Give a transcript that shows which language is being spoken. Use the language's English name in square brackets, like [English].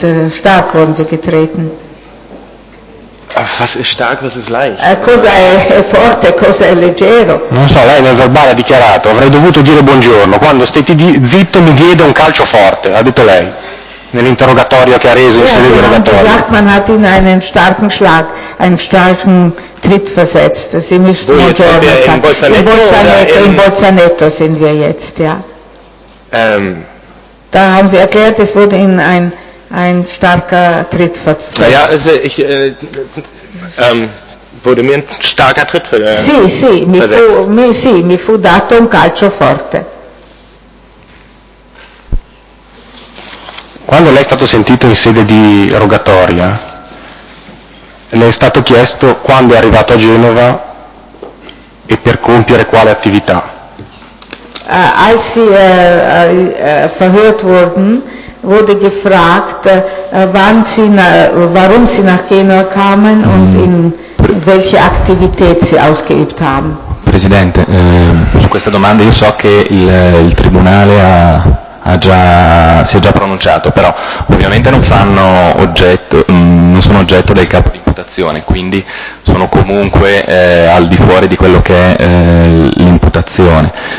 [German] Stark wurden Sie getreten. Was ist stark, was ist leicht? [Italian] Cosa è forte, cosa è leggero? Non so, lei nel verbale ha dichiarato, avrei dovuto dire buongiorno, quando stetti zitto mi diede un calcio forte, ha detto lei, nell'interrogatorio che ha reso in sede interrogatorio. [German] Ja, man hat in einen starken Schlag, einen starken Tritt versetzt. Sie müssen [Italian] buongiorno. [German] Jetzt sind wir in Bolzaneto? In Bolzaneto sind wir jetzt, ja. Da haben Sie erklärt, es wurde in ein starker Tritt versetzt. Naja, also ich wurde mir ein starker Tritt versetzt. [Italian] Sì, sì, mi fu dato un calcio forte. Quando lei è stato sentito in sede di rogatoria, le è stato chiesto quando è arrivato a Genova e per compiere quale attività. [German] Als sie verhört wurden, wurde gefragt, wann sie warum sie nach Genova kamen und in welche Aktivität sie ausgeübt haben. [Italian] Presidente, su questa domanda io so che il tribunale si è già pronunciato, però ovviamente non sono oggetto del capo di imputazione, quindi sono comunque al di fuori di quello che è l'imputazione.